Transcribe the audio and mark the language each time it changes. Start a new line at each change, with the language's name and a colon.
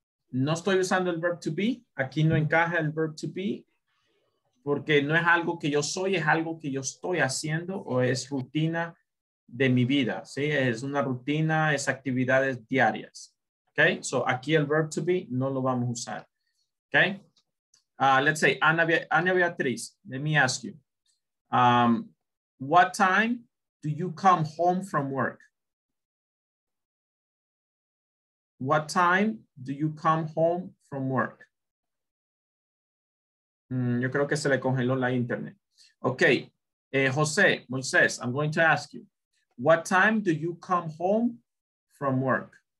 Spanish: No estoy usando el verb to be. Aquí no encaja el verb to be. Porque no es algo que yo soy, es algo que yo estoy haciendo o es rutina de mi vida, ¿sí? Es una rutina, es actividades diarias, ¿ok? So, aquí el verb to be no lo vamos a usar, ¿ok?
English: Let's say, Ana Beatriz, let me ask you. What time do you come home from work? What time do you come home from work?
Spanish: Yo creo que se le congeló la internet.
English: Okay, José, Moisés, I'm going to ask you. What time do you come home from work?